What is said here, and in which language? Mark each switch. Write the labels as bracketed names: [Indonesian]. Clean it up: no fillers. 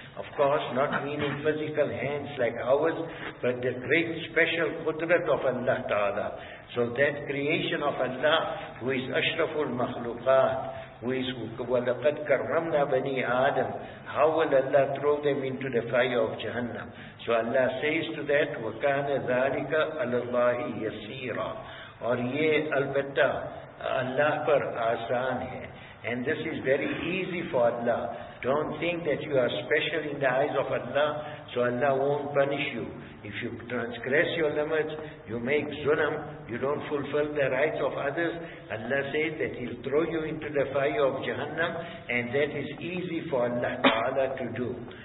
[English] Of course, not meaning physical hands like ours, but the great special qudrat of Allah Ta'ala. So that creation of Allah, who is Ashraful Makhlukat, [Arabic] ways. وَلَقَدْ كَرَّمْنَا بَنِي آدَمْ. [English] How will Allah throw them into the fire of Jahannam? So Allah says to that, [Arabic] وَكَانَ ذَلِكَ عَلَى اللَّهِ يَسِيرًا. [Urdu] اور یہ البتہ اللہ پر آسان ہے. [English] And this is very easy for Allah. Don't think that you are special in the eyes of Allah, so Allah won't punish you. If you transgress your limits, you make zulam, you don't fulfill the rights of others, Allah says that He'll throw you into the fire of Jahannam, and that is easy for Allah Ta'ala to do.